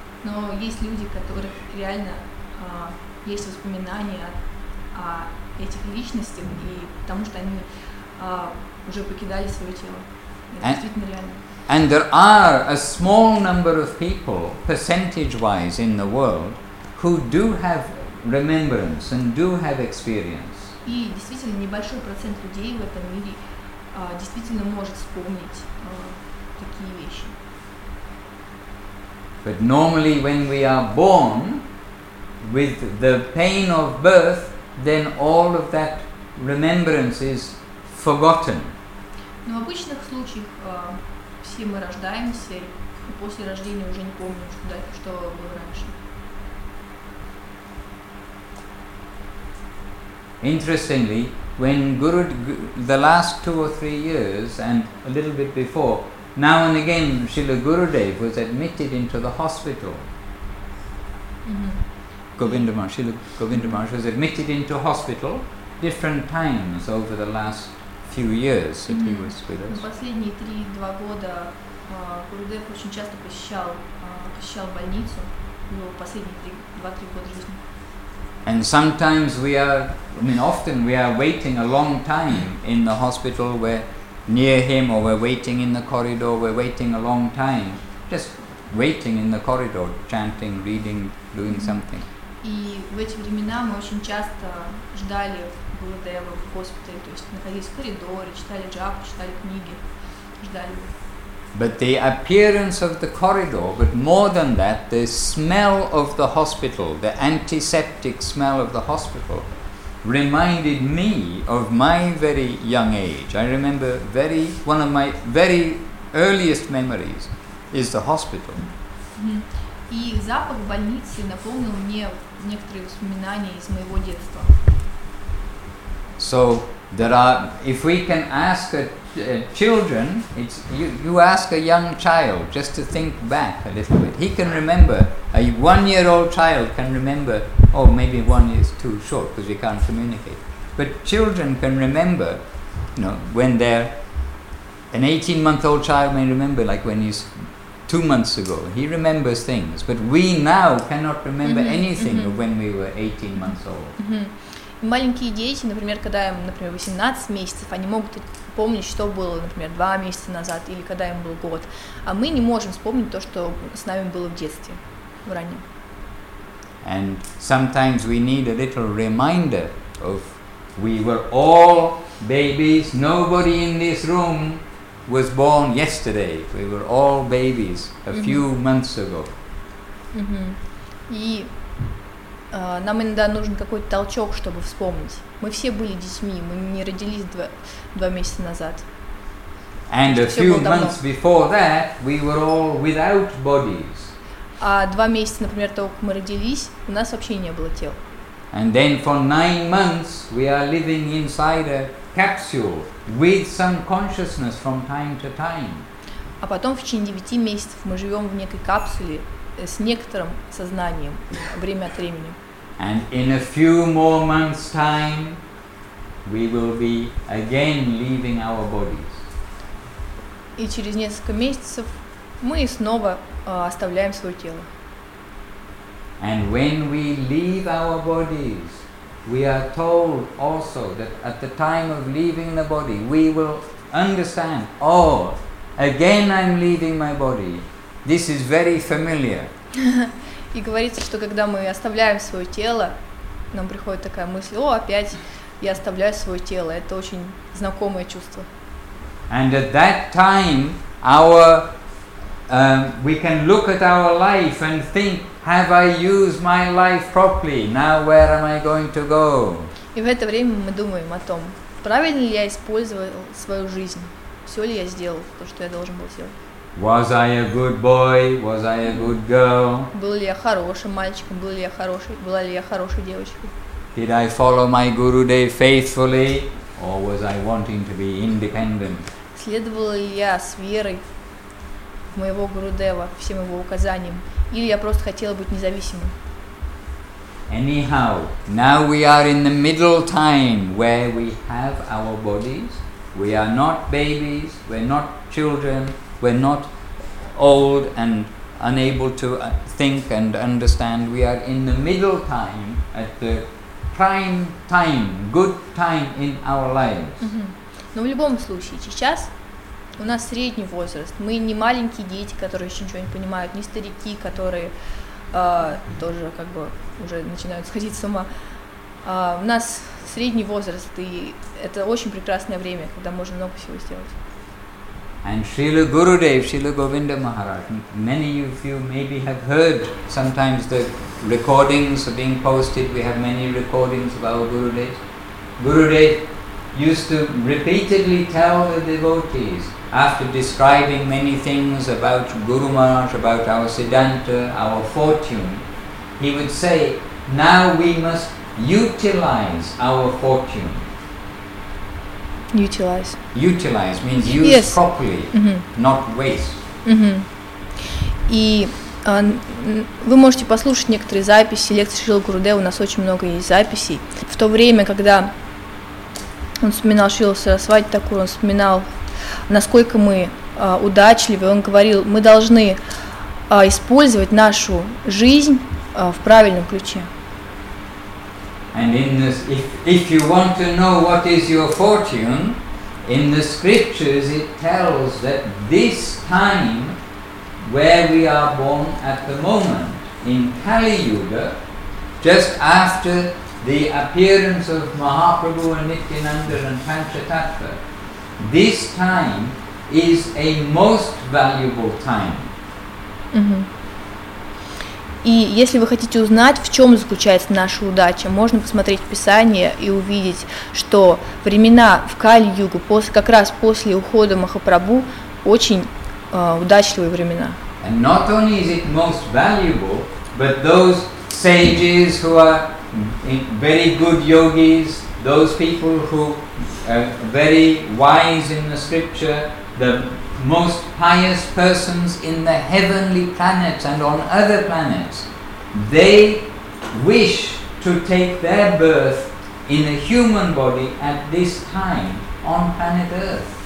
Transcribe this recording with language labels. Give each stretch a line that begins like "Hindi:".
Russian: Но есть люди, которых реально есть воспоминания этих личностях и потому что они уже покидали свое тело. Это действительно реально.
English: And there are a small number of people, percentage-wise, in the world, who do have remembrance and do have experience.
Russian: И действительно небольшой процент людей в этом мире действительно может вспомнить такие вещи.
English: But normally when we are born with the pain of birth, then all of that remembrance is forgotten.
Russian: Но в обычных случаях все мы рождаемся и после рождения уже не помним, что было раньше.
English: Interestingly, when Guru, the last two or three years and a little bit before, now and again Srila Gurudev was admitted into the hospital. Govindamash was admitted into hospital different times over the last few years that he was with us.
Russian: В последние 3-2 года Гурудев очень часто посещал больницу в последние 2-3 года жизни.
English: And sometimes often we are waiting a long time in the hospital, we're near him, or we're waiting in the corridor, we're waiting a long time, just waiting in the corridor, chanting, reading, doing something.
Russian: И в эти времена мы очень часто ждали Гурудева в госпитале, то есть находились в коридоре, читали джапу, читали книги, ждали.
English: But the appearance of the corridor, but more than that, the smell of the hospital, the antiseptic smell of the hospital, reminded me of my very young age. I remember one of my very earliest memories is the hospital.
Russian: И запах больницы напомнил мне некоторые воспоминания из моего детства.
English: So there are, if we can ask children, it's you ask a young child just to think back a little bit. He can remember, a 1 year old child can remember, or maybe 1 year is too short because we can't communicate. But children can remember, you know, when they're an 18 month old child may remember like when he's 2 months ago, he remembers things, but we now cannot remember anything of when we were 18 months old.
Russian: Маленькие дети, например, когда им, например, 18 месяцев, они могут помнить, что было, например, 2 месяца назад или когда им был год, а мы не можем вспомнить то, что с нами было в детстве, в раннем.
English: And sometimes we need a little reminder of we were all babies, nobody in this room was born yesterday. We were all babies a few months ago.
Russian: И нам иногда нужен какой-то толчок, чтобы вспомнить. Мы все были детьми, мы не родились два месяца назад.
English: And a few months before that, we were all without bodies.
Russian: А два месяца, например, того, как мы родились, у нас вообще не было тел.
English: And then for 9 months, we are living inside a capsule with some consciousness from time to time.
Russian: А потом в течение 9 месяцев мы живем в некой капсуле с некоторым сознанием время от времени.
English: And in a few more months' time, we will be again leaving our bodies.
Russian: И через несколько месяцев мы снова оставляем свое тело.
English: And when we leave our bodies, we are told also that at the time of leaving the body, we will understand, oh, again I'm leaving my body. This is very familiar.
Russian: И говорится, что когда мы оставляем свое тело, нам приходит такая мысль, о, опять я оставляю свое тело. Это очень знакомое чувство.
English: And at that time, our we can look at our life and think, have I used my life properly? Now where am I going to go?
Russian: И в это время мы думаем о том, правильно ли я использовал свою жизнь, все ли я сделал то, что я должен был сделать.
English: Was I a good boy? Was I a good girl?
Russian: Был ли я хорошим мальчиком? Была ли я хорошей девочкой?
English: Did I follow my Gurudev faithfully? Or was I wanting to be independent?
Russian: Следовал ли я с верой моего Гурудева, всем его указаниям, или я просто хотела быть независимым?
English: Anyhow, now we are in the middle time where we have our bodies. We are not babies, we're not children, we're not old and unable to think and understand. We are in the middle time at the prime time, good time in our lives.
Russian: Но в любом случае, сейчас у нас средний возраст. Мы не маленькие дети, которые еще ничего не понимают, не старики, которые тоже как бы уже начинают сходить с ума. У нас средний возраст, и это очень прекрасное время, когда можно много всего сделать.
English: And Srila Gurudev, Srila Govinda Maharaj, many of you maybe have heard sometimes the recordings are being posted. We have many recordings of our Gurudev. Gurudev used to repeatedly tell the devotees, after describing many things about Guru Maharaj, about our Siddhanta, our fortune, he would say, now we must utilize our fortune. Utilize. Utilize means use yes. properly, mm-hmm. not waste. Mm-hmm.
Russian: И вы можете послушать некоторые записи лекции Шрилы Гурудева, у нас очень много есть записей. В то время, когда он вспоминал Шрилу Сарасвати Такур, он вспоминал, насколько мы удачливы, он говорил, мы должны использовать нашу жизнь в правильном ключе.
English: And in this, if you want to know what is your fortune, in the scriptures it tells that this time where we are born at the moment, in Kali Yuga, just after the appearance of Mahaprabhu and Nityananda and Panchatattva, this time is a most valuable time. Mm-hmm.
Russian: И если вы хотите узнать, в чем заключается наша удача, можно посмотреть в Писание и увидеть, что времена в Кали-Югу, как раз после ухода Махапрабху, очень удачливые времена.
English: And not only is it most valuable, but those sages who are very good yogis, those people who very wise in the scripture, the most pious persons in the heavenly planets and on other planets, they wish to take their birth in a human body at this time on planet Earth.